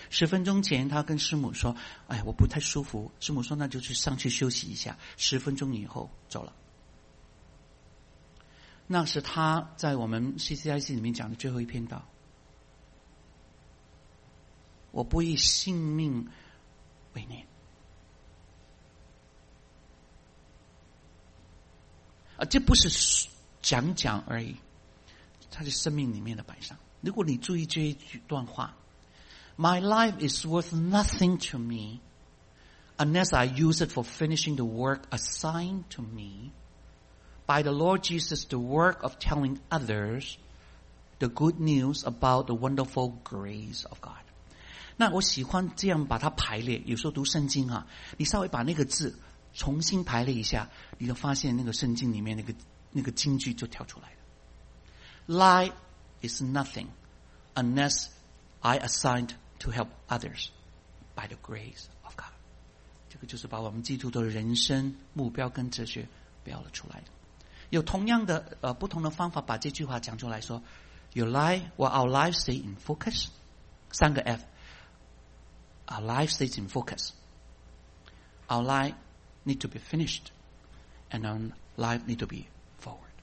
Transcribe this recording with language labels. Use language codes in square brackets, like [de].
[zh] 10分钟前他跟师母说，哎，我不太舒服，师母说那就去上去休息一下，10分钟以后走了。那是他在我们 CCIC 里面讲的最后一篇道，我不以性命为念。啊，这不是讲讲而已，他是生命里面的摆上。如果你注意这一段话， [en] My life is worth nothing to me unless I use it for finishing the work assigned to me by the Lord Jesus, the work of telling others the good news about the wonderful grace of God. [zh] 那我喜欢这样把它排列，有时候读圣经啊，你稍微把那个字重新排列一下，你就发现那个圣经里面那个金句就跳出来了。 [en] Life is nothing unless I assigned to help others by the grace of God. [zh] 这个就是把我们基督徒的人生目标跟哲学标了出来的。有同样的不同的方法把这句话讲出来，说 [en] Your life, will our life stay in focus? [zh] 三个 [en] F. Our life stays in focus. Our life need to be finished. And our life need to be forward.